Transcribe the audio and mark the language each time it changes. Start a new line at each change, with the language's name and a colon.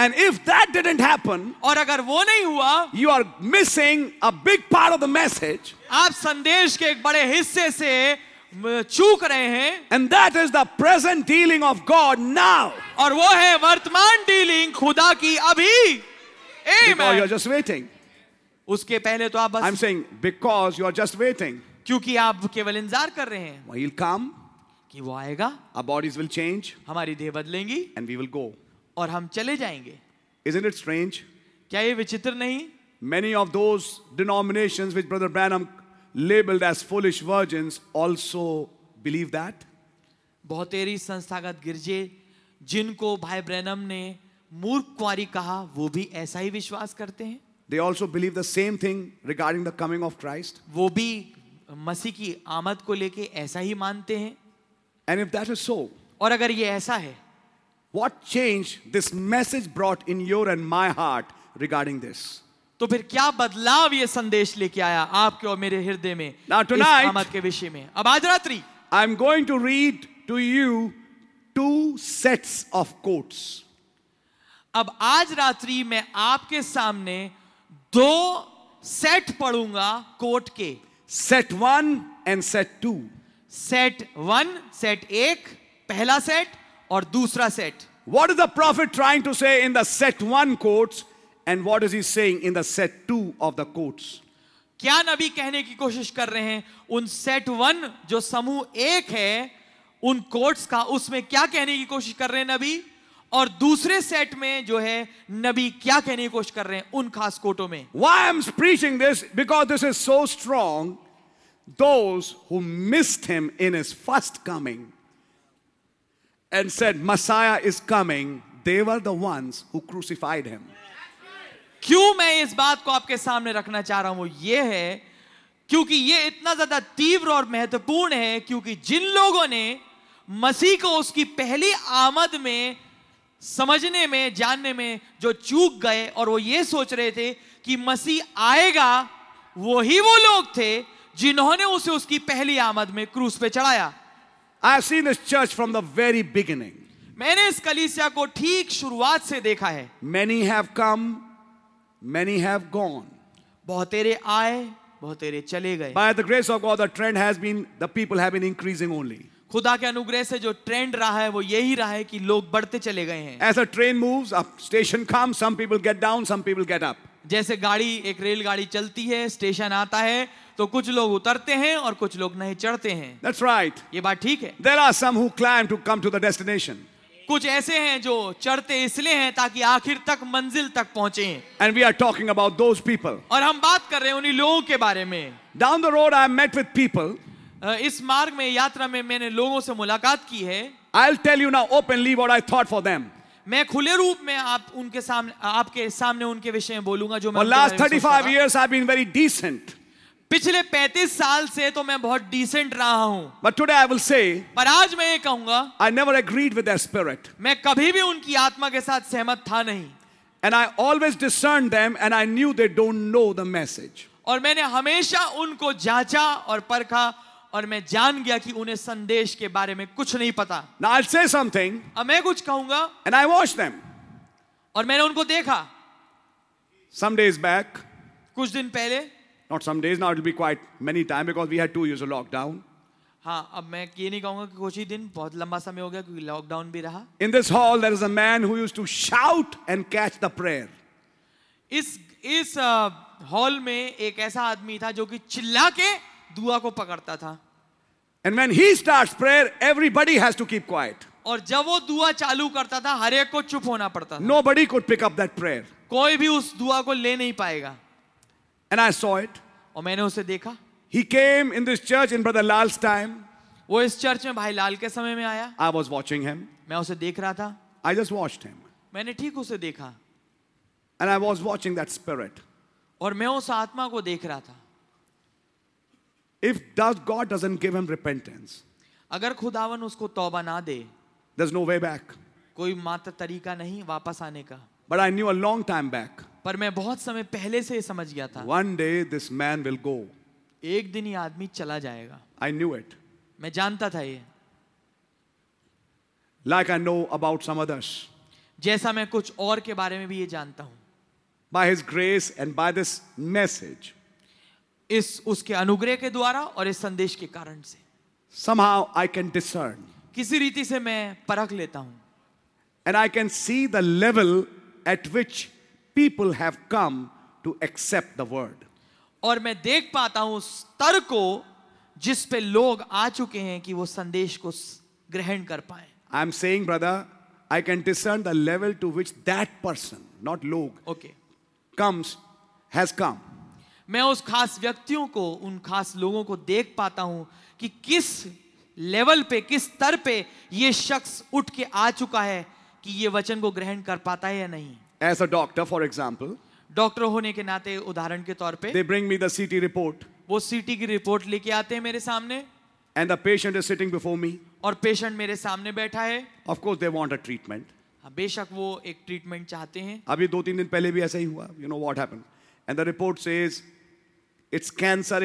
English: And if that didn't happen,
Hindi: और अगर वो नहीं हुआ,
English: you are missing a big part of the message.
Hindi: आप संदेश के एक बड़े हिस्से से चूक रहे हैं.
English: And that is the present dealing of God now.
Hindi: और वो है वर्तमान डीलिंग खुदा की अभी.
English: Amen. You are just waiting.
Hindi: उसके पहले तो आप बस.
English: I'm saying because you are just waiting.
Hindi: क्योंकि आप केवल इंतजार कर रहे हैं.
English: He'll come.
Hindi: कि वो आएगा.
English: Our bodies will change.
Hindi: हमारी देह बदलेंगी.
English: And we will go.
Hindi: और हम चले जाएंगे.
English: Isn't it strange?
Hindi: क्या ये विचित्र नहीं?
English: Many of those denominations which Brother Branham labeled as foolish virgins also believe that.
Hindi: बहुत सारी संस्थागत गिरजे जिनको भाई ब्रैनम ने मूर्ख कुंवारी कहा वो भी ऐसा ही विश्वास करते हैं.
English: They also believe the same thing regarding the coming of Christ.
Hindi: वो भी मसीह की आमद को लेके ऐसा ही मानते हैं.
English: And if that is so,
Hindi: और अगर ये ऐसा है,
English: what change this message brought in your and my heart regarding this?
Hindi: तो फिर क्या बदलाव ये संदेश लेके आया आपके और मेरे हृदय में?
English: Now tonight,
Hindi: इस आमद के विषय में. अब आज रात्रि,
English: I'm going to read to you two sets of quotes.
Hindi: अब आज रात्रि मैं आपके सामने दो सेट पढ़ूंगा कोट के.
English: Set one and set two.
Hindi: Set one, set एक, पहला सेट और दूसरा set.
English: What is the prophet trying to say in the set one quotes and what is he saying in the set two of the quotes?
Hindi: क्या नबी कहने की कोशिश कर रहे हैं उन सेट वन जो समूह एक है उन कोट्स का, उसमें क्या कहने की कोशिश कर रहे हैं नबी, और दूसरे सेट में जो है नबी क्या कहने की कोशिश कर रहे हैं उन खास कोटों में?
English: Why I'm preaching this? Because this is so strong. Those who missed him in his first coming and said Messiah is coming, they were the ones who crucified him.
Hindi: क्यों मैं इस बात को आपके सामने रखना चाह रहा हूं वो ये है क्योंकि ये इतना ज्यादा तीव्र और महत्वपूर्ण है क्योंकि जिन लोगों ने मसीह को उसकी पहली आमद में समझने में जानने में जो चूक गए और वो ये सोच रहे थे कि मसीह आएगा, वही वो लोग थे जिन्होंने उसे उसकी पहली आमद में क्रूस पे चढ़ाया.
English: I have seen this church from the very beginning.
Hindi: मैंने इस कलीसिया को ठीक शुरुआत से देखा है.
English: Many have come, many have gone.
Hindi: बहुतेरे आए, बहुतेरे चले गए.
English: By the grace of God, the trend has been the people have been increasing only.
Hindi: खुदा के अनुग्रह से जो ट्रेंड रहा है वो यही रहा है कि लोग बढ़ते चले गए हैं.
English: As a train moves up, station comes, some people get down, some people get up.
Hindi: जैसे गाड़ी, एक रेलगाड़ी चलती है, स्टेशन आता है, तो कुछ लोग उतरते हैं और कुछ लोग नहीं चढ़ते हैं.
English: That's right.
Hindi: ये बात ठीक है.
English: There are some who climb to come to the destination.
Hindi: कुछ ऐसे हैं जो चढ़ते इसलिए हैं ताकि आखिर तक मंजिल तक पहुंचे.
English: And we are talking about those people.
Hindi: और हम बात कर रहे हैं उन्हीं लोगों के बारे में.
English: Down the road, I have met with people.
Hindi: इस मार्ग में, यात्रा में मैंने लोगों से मुलाकात की है.
English: I'll tell you now openly what I thought for them.
Hindi: मैं खुले रूप में आप उनके सामने, आपके सामने उनके विषय में बोलूंगा जो मैं.
English: For last 35 years, I've been very decent.
Hindi: पिछले 35 साल से तो मैं बहुत डिसेंट रहा हूं.
English: But today I will say,
Hindi: पर आज मैं ये कहूंगा,
English: I never agreed with their spirit.
Hindi: मैं कभी भी उनकी आत्मा के साथ सहमत था नहीं.
English: And I always discerned them and I knew they don't know the message.
Hindi: और मैंने हमेशा उनको जांचा और परखा और मैं जान गया कि उन्हें संदेश के बारे में कुछ नहीं पता.
English: Now I'll say something,
Hindi: अब मैं कुछ कहूंगा.
English: And I watched them.
Hindi: और मैंने उनको देखा.
English: Some days back,
Hindi: कुछ दिन पहले.
English: Not some days, now it will be quite many time because we had 2 years of lockdown.
Hindi: हाँ, अब मैं ये नहीं कहूंगा कि कुछ ही दिन, बहुत लंबा समय हो गया क्योंकि लॉकडाउन भी रहा.
English: In this hall, there is a man who used to shout and catch the prayer.
Hindi: इस हॉल में एक ऐसा आदमी था जो कि चिल्ला के दुआ को पकड़ता था.
English: And when he starts prayer, everybody has to keep quiet.
Hindi: और जब वो दुआ चालू करता था, हर एक को चुप होना पड़ता था.
English: Nobody could pick up that prayer.
Hindi: कोई भी उस दुआ को ले नहीं पाएगा.
English: And I saw it.
Hindi: और मैंने उसे देखा.
English: He came in this church in Brother Lal's time.
Hindi: वो इस चर्च में भाई लाल के समय में आया.
English: I was watching him.
Hindi: मैं उसे देख रहा था.
English: I just watched him.
Hindi: मैंने ठीक उसे देखा.
English: And I was watching that spirit.
Hindi: और मैं उस आत्मा को देख रहा था.
English: If does God doesn't give him repentance,
Hindi: अगर खुदावन उसको तौबा ना दे,
English: there's no way back.
Hindi: कोई मात्र तरीका नहीं वापस आने का.
English: But I knew a long time back.
Hindi: पर मैं बहुत समय पहले से समझ गया था.
English: One day this man will go.
Hindi: एक दिन ये आदमी चला जाएगा.
English: I knew it.
Hindi: मैं जानता था ये.
English: Like I know about some others.
Hindi: जैसा मैं कुछ और के बारे में भी ये जानता हूं.
English: By his grace and by this message.
Hindi: इस उसके अनुग्रह के द्वारा और इस संदेश के कारण से.
English: Somehow I can discern.
Hindi: किसी रीति से मैं परख लेता हूं.
English: And I can see the level at which people have come to accept the word.
Hindi: और मैं देख पाता हूं उस स्तर को जिस पे लोग आ चुके हैं कि वो संदेश को ग्रहण कर पाए.
English: I am saying, brother, I can discern the level to which that person, not log, okay, comes, has come.
Hindi: मैं उस खास व्यक्तियों को, उन खास लोगों को देख पाता हूं कि किस लेवल पे, किस स्तर पे ये शख्स उठ के आ चुका है कि ये वचन को ग्रहण कर पाता है या नहीं.
English: As a doctor, for example,
Hindi: doctor होने के नाते उदाहरण के तौर पे,
English: they bring me the CT report.
Hindi: वो CT की रिपोर्ट लेके आते हैं मेरे सामने.
English: And the patient is sitting before me.
Hindi: और पेशेंट मेरे सामने बैठा है.
English: Of course, they want a treatment.
Hindi: बेशक वो एक ट्रीटमेंट चाहते हैं. अभी दो तीन दिन पहले भी ऐसा ही हुआ.
English: You know what happened? And the report says, it's cancer.